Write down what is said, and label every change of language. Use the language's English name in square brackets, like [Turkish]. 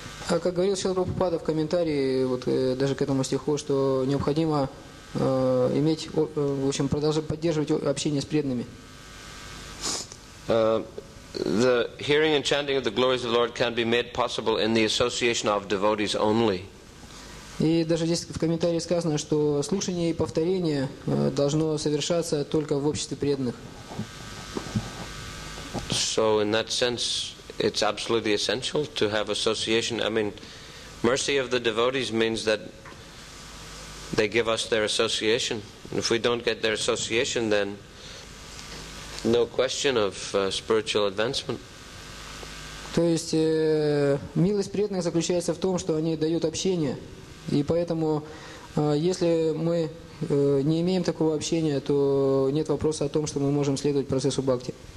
[Russian] А как говорил Шрила Прабхупада в комментарии, вот даже к этому стиху, что необходимо иметь, в общем, продолжать поддерживать общение с преданными. [English] The hearing and chanting of the glories of the Lord can be made possible in the association of devotees only. [Russian] И даже здесь в комментарии сказано, что слушание и повторение должно совершаться только в обществе преданных. [English] So in that sense, it's absolutely essential to have association. I mean, mercy of the devotees means that they give us their association. And if we don't get their association, then no question of spiritual advancement. [Russian] То есть милость преданных заключается в том, что они дают общение, и поэтому если мы не имеем такого общения, то нет вопроса о том, что мы можем следовать процессу бхакти.